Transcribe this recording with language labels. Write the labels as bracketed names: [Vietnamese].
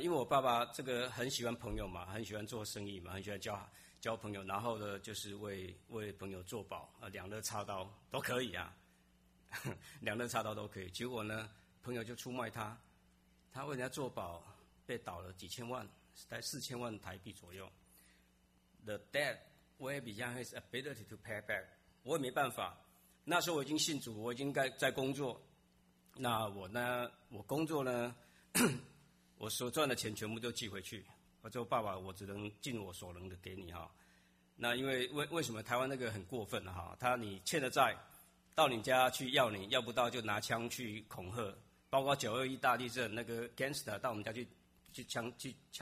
[Chinese] 因为我爸爸这个很喜欢朋友嘛，很喜欢做生意嘛，很喜欢交朋友，然后呢就是为朋友做保，两肋插刀都可以啊，两肋插刀都可以。结果呢，朋友就出卖他，他为人家做保被倒了几千万，在四千万台币左右。 [English] The debt way beyond his ability to pay back， [Chinese] 我也没办法。那时候我已经信主，我已经在工作。那我呢？我工作呢？我所赚的钱全部都寄回去，我说爸爸，我只能尽我所能的给你哈。那因为为什么台湾那个很过分哈，他你欠的债到你家去要，你要不到就拿枪去恐吓，包括921大地震那个 gangster 到我们家去枪击。